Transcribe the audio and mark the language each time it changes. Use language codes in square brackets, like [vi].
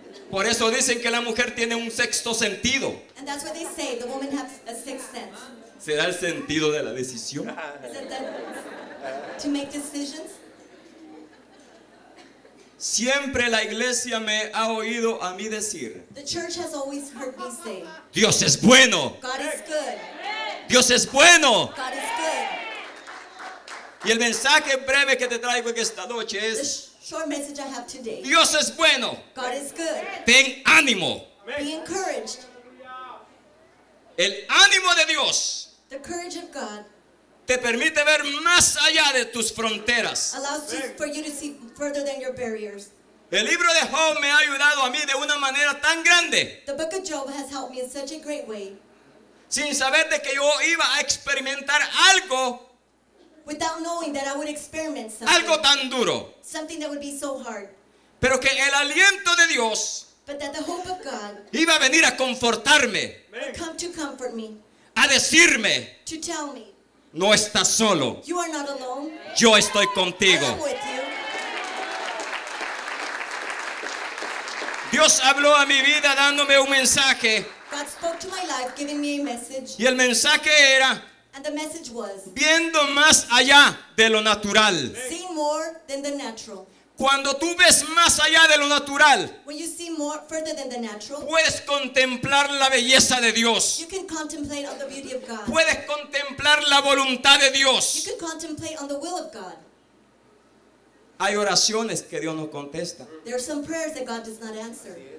[es] Por eso dicen que la mujer tiene un sexto sentido. [en] And that's what they say, the woman has a sixth sense. [es] ¿Será el sentido de la decisión? [en] Is it that, to make decisions? [es] Siempre la iglesia me ha oído a mí decir. [en] The church has always heard me say. [es] Dios es bueno. [en] God is good. [es] Dios es bueno. [en] God is good. [es] Y el mensaje breve que te traigo en esta noche es. [en] Short message I have today. [es] Dios es bueno. [en] God is good. [es] Ten ánimo. [en] Be encouraged. [es] El ánimo de Dios. [en] The courage of God. [es] Te permite ver más allá de tus fronteras. [en] Allows for you to see further than your barriers. [es] El libro de Job me ha ayudado a mí de una manera tan grande. [en] The book of Job has helped me in such a great way. [es] Sin saber de que yo iba a experimentar algo. [en] Without knowing that I would experiment something. [es] Algo tan duro. [en] Something that would be so hard. [es] Pero que el aliento de Dios. [en] But that the hope of God. [es] Iba a venir a confortarme. [en] Would come to comfort me. [es] A decirme. [en] To tell me. [es] No estás solo. [en] You are not alone. [es] Yo estoy contigo. [en] I am with you. [es] Dios habló a mi vida dándome un mensaje. [en] God spoke to my life, giving me a message. [es] Y el mensaje era. [en] And the message was. [es] Viendo más allá de lo natural. [en] Seeing more than the natural. [es] Cuando tú ves más allá de lo natural. [en] When you see more further than the natural. [es] Puedes contemplar la belleza de Dios. [en] You can contemplate on the beauty of God. [es] Puedes contemplar la voluntad de Dios. [en] You can contemplate on the will of God. [es] Hay oraciones que Dios no contesta. [en] There are some prayers that God does not answer.